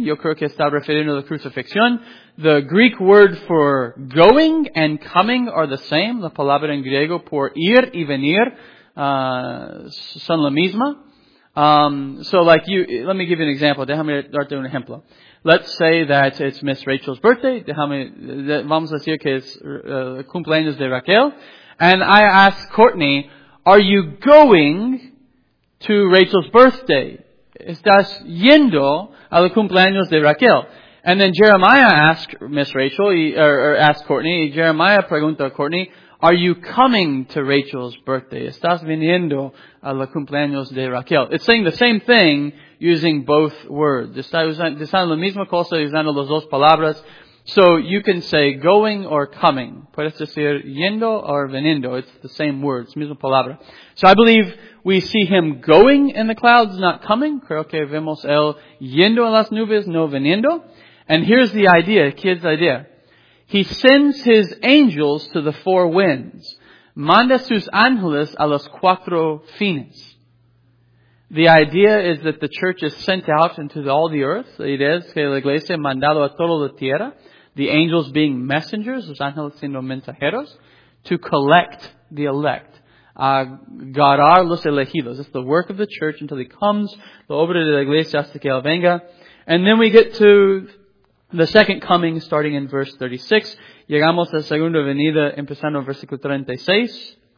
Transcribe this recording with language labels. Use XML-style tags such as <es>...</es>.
<es>Yo creo que está refiriendo a la crucifixión.</es> <en>The Greek word for going and coming are the same.</en> <es>La palabra en griego por ir y venir son la misma.</es> <en>Let me give you an example.</en> <es>Déjame darte un ejemplo.</es> <en>Let's say that it's Miss Rachel's birthday.</en> <es>Vamos a decir que es cumpleaños de Raquel.</es> <en>And I ask Courtney, are you going to Rachel's birthday?</en> <es>¿Estás yendo a los cumpleaños de Raquel?</es> <en>And then Jeremiah asks Miss Rachel, or asks Courtney,</en> <es>Jeremiah pregunta a Courtney,</es> <en>are you coming to Rachel's birthday? ¿Estás viniendo a los cumpleaños de Raquel? It's saying the same thing using both words.</en> <es>Está usando la misma cosa usando las dos palabras. So you can say going or coming. Puedes decir yendo or viniendo.</es> <en>It's the same words,</en> <es>misma palabra.</es> <en>So I believe we see him going in the clouds, not coming.</en> <es>Creo que vemos él yendo en las nubes, no viniendo.</es> <en>And here's the idea, kid's idea. He sends his angels to the four winds.</en> <es>Manda sus ángeles a los cuatro fines.</es> <en>The idea is that the church is sent out into all the earth.</en> <es>La idea es que la iglesia ha mandado a toda la tierra.</es> <en>The angels being messengers,</en> <es>los ángeles siendo mensajeros,</es> <en>to collect the elect.</en> <es>Agarrar los elegidos.</es> <en>It's the work of the church until he comes.</en> <es>La obra de la iglesia hasta que él venga.</es> <en>And then we get to the second coming starting in verse 36.</en> <es>Llegamos a la segunda venida empezando en versículo 36.</es>